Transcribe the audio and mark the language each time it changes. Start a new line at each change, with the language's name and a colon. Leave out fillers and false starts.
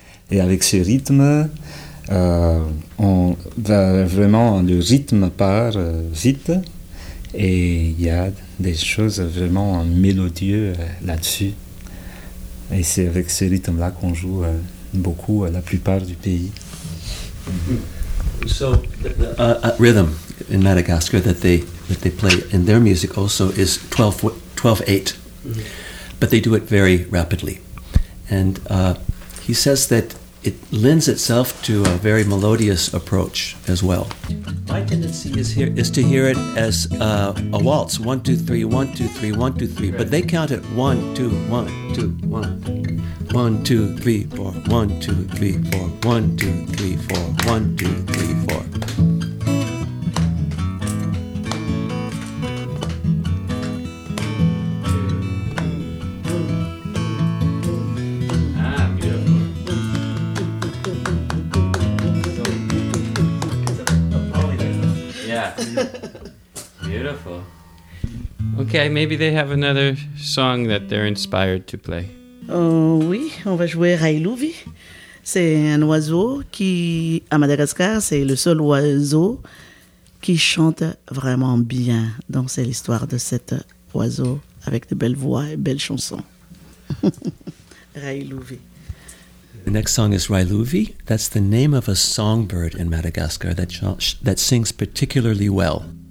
French: Et avec ce rythme, on va vraiment, le rythme part vite et il y a des choses vraiment mélodieuses là-dessus. Et c'est avec ce rythme-là qu'on joue beaucoup la plupart du pays.
English: So the rhythm in Madagascar that they play in their music also is 12-8. But they do it very rapidly. And he says that it lends itself to a very melodious approach as well. My tendency is to hear it as a waltz. 1-2-3, 1-2-3, 1-2-3. But they count it 1-2-1-2-1. 1-2-3-4, 1-2-3-4, 1-2-3-4, 1-2-3-4. Ok, maybe they have another song that they're inspired to play.
French: Oui, on va jouer Railouvi. C'est un oiseau qui, à Madagascar, c'est le seul oiseau qui chante vraiment bien. Donc c'est l'histoire de cet oiseau avec de belles voix et belles chansons. Railouvi.
English: The next song is Railouvi. That's the name of a songbird in Madagascar that sings particularly well.